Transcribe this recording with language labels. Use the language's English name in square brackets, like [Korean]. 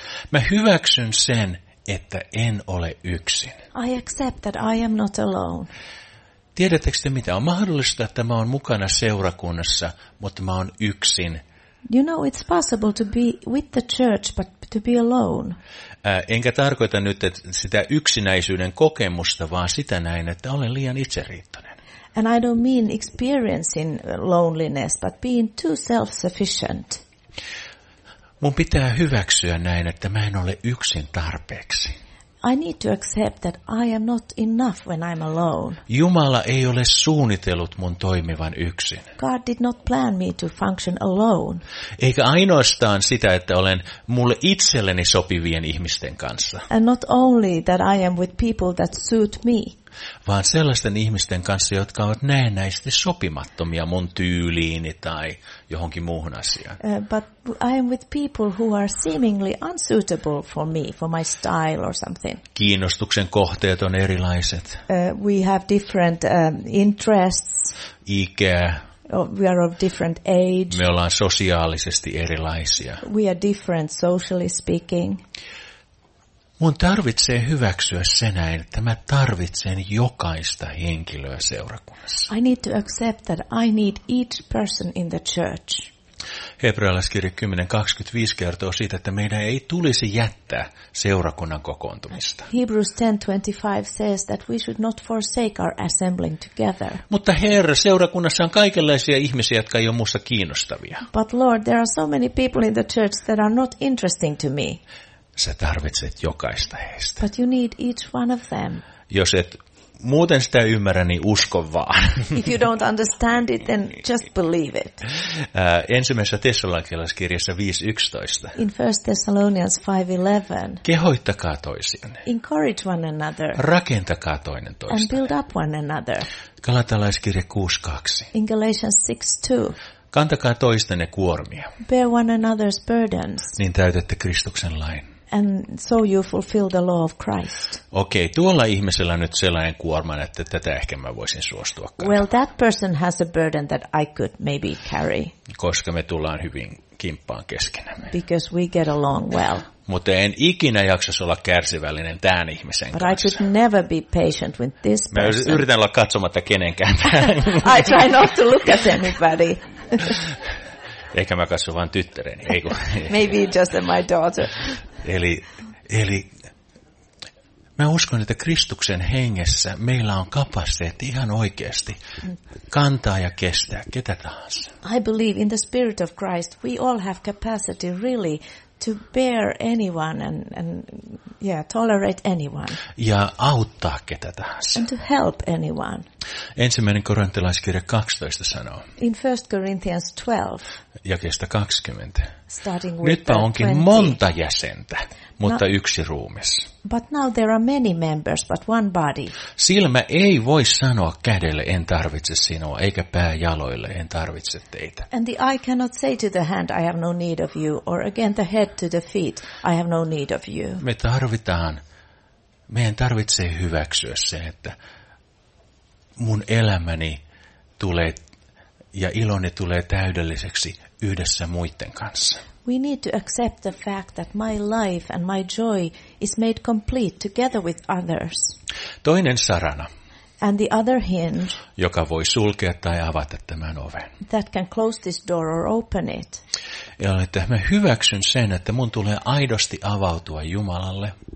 [Finnish] Mä hyväksyn sen, että en ole yksin. [English] I accept that I am not alone. [Finnish] Tiedättekö te mitä? On mahdollista, että mä oon mukana seurakunnassa, mutta mä oon yksin. [English] You know, it's possible to be with the church, but to be alone. [Finnish] Enkä tarkoita nyt että sitä yksinäisyyden kokemusta, vaan sitä näin, että olen liian itseriittoinen. [English] And I don't mean experiencing loneliness, but being too self-sufficient. [Finnish] Mun pitää hyväksyä näin, että mä en ole yksin tarpeeksi. [English] I need to accept that I am not enough when I'm alone. [Finnish] Jumala ei ole suunnitellut mun toimivan yksin. [English] God did not plan me to function alone. [Finnish] Eikä ainoastaan sitä, että olen mulle itselleni sopivien ihmisten kanssa. [English] And not only that I am with people that suit me. [Finnish] Vaan sellaisten ihmisten kanssa, jotka ovat näennäisesti sopimattomia mun tyyliini tai johonkin muuhun asiaan. [English] But I am with people who are seemingly unsuitable for me, for my style or something. [Finnish] Kiinnostuksen kohteet on erilaiset. [English] We have different interests. [Finnish] Ikää. [English] We are of different age. [Finnish] Me ollaan sosiaalisesti erilaisia. [English] We are different socially speaking. [Finnish] Mun tarvitsee hyväksyä sen näin, että mä tarvitsen jokaista henkilöä seurakunnassa. [English] I need to accept that I need each person in the church. [Finnish] Hebrealaiskirja 10:25 kertoo siitä, että meidän ei tulisi jättää seurakunnan kokoontumista. [English] Hebrews 10:25 says that we should not forsake our assembling together. [Finnish] Mutta Herra, seurakunnassa on kaikenlaisia ihmisiä, jotka ei ole musta kiinnostavia. [English] But Lord, there are so many people in the church that are not interesting to me. [Finnish] Sä tarvitset jokaista heistä. [English] But you need each one of them. [Finnish] Jos et muuten sitä ymmärrä, niin usko vaan. [English] If you don't understand it, then just believe it. [Finnish] Ensimmäisessä Tessalonikalaiskirjassa 5:11. [English] In 1 Thessalonians 5:11. [Finnish] Kehoittakaa toisianne. [English] Encourage one another. [Finnish] Rakentakaa toinen toista. [English] And build up one another. [Finnish] Galatalaiskirja 6:2. [English] In Galatians 6:2. [Finnish] Kantakaa toistenne kuormia. [English] Bear one another's burdens. [Finnish] Niin täytätte Kristuksen lain. [English] And so you fulfill the law of Christ. [Finnish] Okei, tuolla ihmisellä nyt sellainen kuorma, että tätä ehkä mä voisin suostua kantamaan. [English] Well, that person has a burden that I could maybe carry. [Finnish] Koska me tullaan hyvin kimppaan keskenämme. [English] Because we get along well. [Finnish] Mutta en ikinä jaksaisi olla kärsivällinen tämän ihmisen [English] But [Finnish] kanssa. [English] I could never be patient with this person. [Finnish] Mä yritän olla katsomatta kenenkään. [English] I try not to look at anybody. [Finnish] Eikä mä katso vaan tyttäreni, eikö? [English] Maybe just my daughter. [Finnish] Eli mä uskon, että Kristuksen hengessä meillä on kapasiteetti ihan oikeasti kantaa ja kestää ketä tahansa. [English] I believe in the spirit of Christ we all have capacity really to bear anyone and tolerate anyone. [Finnish] Ja auttaa ketä tahansa. [English] And to help anyone. [Finnish] Ensimmäinen korintilaiskirja 12 sanoo. [English] In 1 Corinthians 12. [Finnish] Jakeesta 20. [English] Starting with [Finnish] Nytpä onkin [English] 20. [Finnish] Monta jäsentä, mutta no, yksi ruumis. [English] But now there are many members, but one body. [Finnish] Silmä ei voi sanoa kädelle, en tarvitse sinua, eikä pää jaloille, en tarvitse teitä. [English] And the eye cannot say to the hand, I have no need of you, or again the head to the feet, I have no need of you. [Finnish] Me tarvitaan, meidän tarvitsee hyväksyä se, että mun elämäni tulee ja iloni tulee täydelliseksi yhdessä muiden kanssa. [English] We need to accept the fact that my life and my joy is made complete together with others. [Finnish] Toinen sarana. [English] And the other hinge, [Finnish] joka voi sulkea tai avata tämän oven. [English] That can close this door or open it. [Finnish] Ja että mä hyväksyn sen, että mun tulee aidosti avautua Jumalalle.